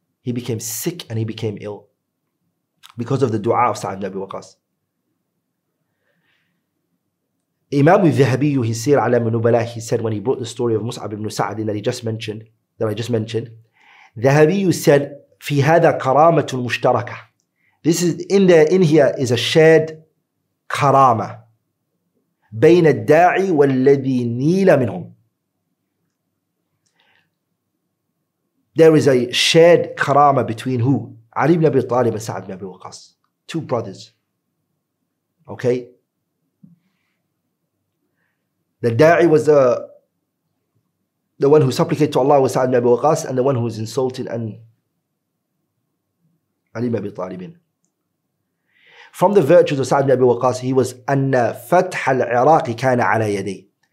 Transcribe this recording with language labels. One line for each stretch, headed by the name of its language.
English: He became sick and he became ill because of the dua of Sa'd ibn Abi Waqqas. Imam al-Dhahabi, his Sir Alam al-Nubala, he said when he brought the story of Mus'ab ibn Sa'd that I just mentioned, Dhahabi said,
Arabic: "في هذا كرامة مشتركة."
English: This is in here is a shared كرامة
Arabic: بين الداعي والذي نيل منهم.
English: There is a shared كرامة between who?
Arabic: علي بن أبي طالب and سعد بن أبي وقاص, two brothers.
English: Okay. The داعي was the one who supplicated to Allah was Sa'd ibn Abi Waqqas, and the one who was insulted and Ali ibn Abi Talib. From the virtues of Sa'd ibn Abi Waqqas, he was
Arabic: anna fatḥ al-Iraq kana 'ala yadayhi.